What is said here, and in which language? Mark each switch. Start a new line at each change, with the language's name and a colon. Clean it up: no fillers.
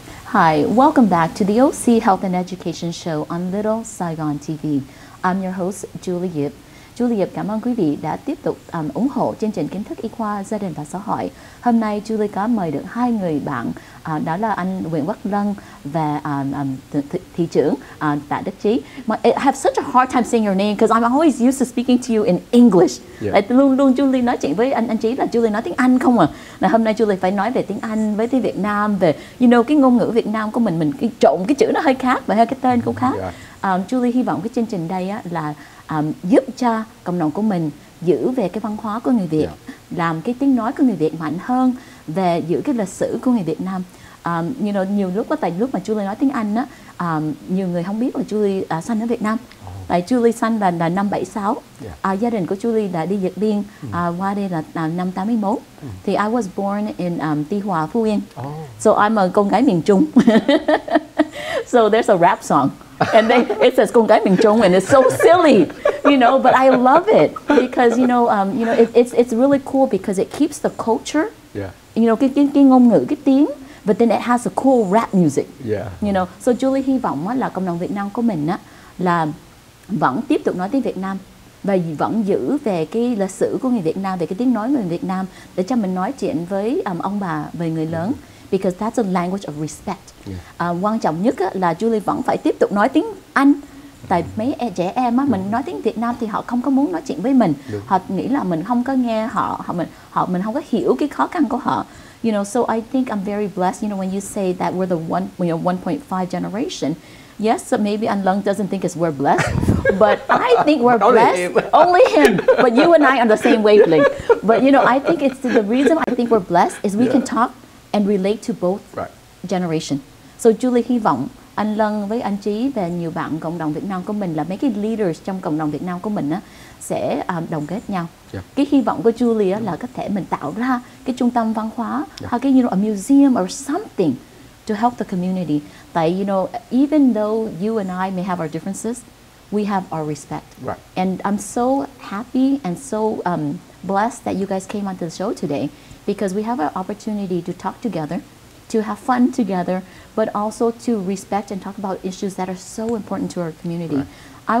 English: Hi, welcome back to the OC Health and Education Show on Little Saigon TV. I'm your host, Julie Yip.
Vietnamese: Julie Yip, cảm ơn quý vị đã tiếp tục ủng hộ chương trình Kiến thức y khoa, gia đình và xã hội. Hôm nay, Julie có mời được hai người bạn, đó là anh Nguyễn Quốc Lân và thị trưởng tại Đức Trí.
English: I have such a hard time saying your name because I'm always used to speaking to you in English. Yeah.
Vietnamese: Like, luôn luôn Julie nói chuyện với anh Trí là Julie nói tiếng Anh không à. Là hôm nay Julie phải nói về tiếng Anh với tiếng Việt Nam, về, you know, cái ngôn ngữ Việt Nam của mình cái trộn cái chữ nó hơi khác và hơi cái tên cũng khác. Yeah. Julie hy vọng cái chương trình đây là giúp cho cộng đồng của mình giữ về cái văn hóa của người Việt, làm cái tiếng nói của người Việt mạnh hơn, về giữ cái lịch sử của người Việt Nam. You know, nhiều lúc, tại lúc mà Julie nói tiếng Anh, nhiều người không biết là Julie sinh ở Việt Nam. Tại Julie sinh là năm 76, gia đình của Julie đã đi vượt biên, qua đây là năm 81. Thì
English: I was born in Tuy Hòa, Phú Yên. So I'm a
Vietnamese: con gái miền Trung.
English: So there's a rap song. And then it says
Vietnamese: con gái miền Trung,
English: and it's so silly, you know, but I love it because, you know, it's really cool because it keeps the culture, you know,
Vietnamese: cái ngôn ngữ, cái tiếng,
English: but then it has a cool rap music, you know. So
Vietnamese: Julie hy vọng là cộng đồng Việt Nam của mình á, là vẫn tiếp tục nói tiếng Việt Nam và vẫn giữ về cái lịch sử của người Việt Nam, về cái tiếng nói người Việt Nam, để cho mình nói chuyện với ông bà, về người lớn.
English: Because that's a language of respect.
Vietnamese: Quan trọng nhất là Julie vẫn phải tiếp tục nói tiếng Anh. Tại mấy trẻ em á, mình nói tiếng Việt Nam thì họ không có muốn nói chuyện với mình. Họ nghĩ là mình không có nghe họ, mình không có hiểu cái khó khăn của họ.
English: You know, so I think I'm very blessed. You know, when you say that we're the one, you know, 1.5 generation. Yes, so maybe Anh Lân doesn't think it's we're blessed, but I think we're blessed. Only him, but you and I are the same wavelength. But you know, I think it's the reason I think we're blessed is we can talk and relate to both generation.
Vietnamese: So Julie hy vọng anh Lân với anh Trí và nhiều bạn cộng đồng Việt Nam của mình, là mấy cái leaders trong cộng đồng Việt Nam của mình á, sẽ đồng kết nhau. Cái hy vọng của Julie á, là có thể mình tạo ra cái trung tâm văn hóa hoặc cái,
English: you know, a museum or something to help the community. Tại, you know, even though you and I may have our differences, we have our respect. And I'm so happy and so blessed that you guys came onto the show today, because we have an opportunity to talk together, to have fun together, but also to respect and talk about issues that are so important to our community. Right.